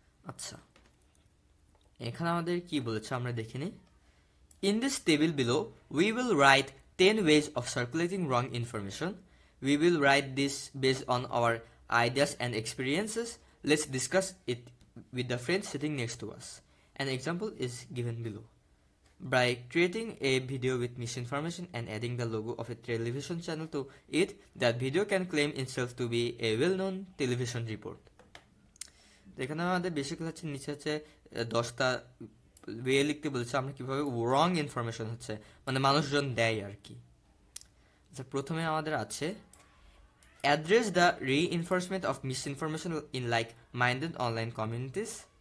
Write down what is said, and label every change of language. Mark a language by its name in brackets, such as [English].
[Bangla] আচ্ছা, এখানে আমাদের কি বলেছে আমরা দেখে নিই। [English] In this table below we will write 10 ways of circulating wrong information. We will write this base on our ideas and experiences. Let's discuss it with the friend sitting next to us. An example is given below. By creating a video with misinformation and adding the logo of a television channel to it, that video can claim itself to be a well-known television report. [Bangla] দেখেন আমাদের basically হচ্ছে নিচে হচ্ছে 10টা way লিখতে বলেছে আমরা কীভাবে রং ইনফরমেশন হচ্ছে মানে মানুষজন দেয় আর কি। আচ্ছা প্রথমে আমাদের আছে [English] Address the reinforcement of misinformation in like minded online communities.